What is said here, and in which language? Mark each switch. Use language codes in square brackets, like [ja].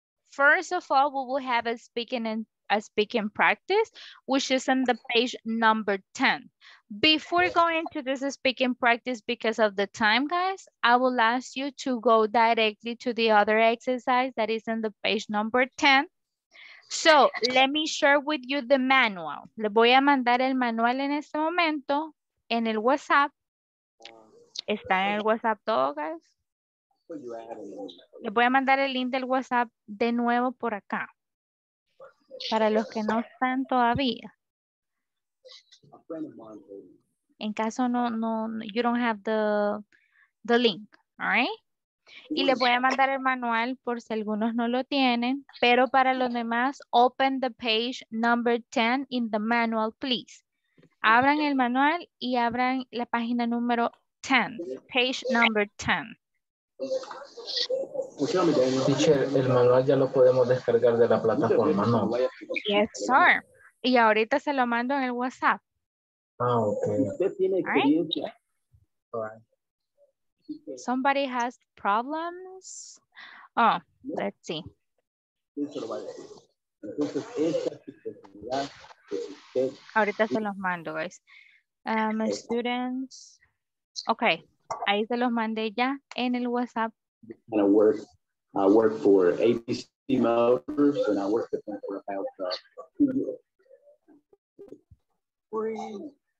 [en] First of all, we will have a speaking practice, which is on the page number 10. Before going to this speaking practice, because of the time, guys, I will ask you to go directly to the other exercise that is on the page number 10. So let me share with you the manual. [es] Le voy a mandar el manual en este momento en el WhatsApp. Está en el WhatsApp todo, guys. Le voy a mandar el link del WhatsApp de nuevo por acá para los que no están todavía. En caso [en] you don't have the link, all right? [es] Y le voy a mandar el manual por si algunos no lo tienen, pero para los demás, [en] open the page number 10 in the manual, please. [es] Abran el manual y abran la página número 10, [en] page number 10. [es] Teacher, el manual ya lo podemos descargar de la plataforma, ¿no? [en] Yes, sir. [es] Y ahorita se lo mando en el WhatsApp. Ah, ok. Usted tiene experiencia. [en] Right. Somebody has problems. Oh, let's see. [es] Ahorita se los mando, guys. [en] My students. [es] Ok. Ahí se los mandé ya en el WhatsApp. [en] And I work for ABC Motors, and I work with them for about 2 years.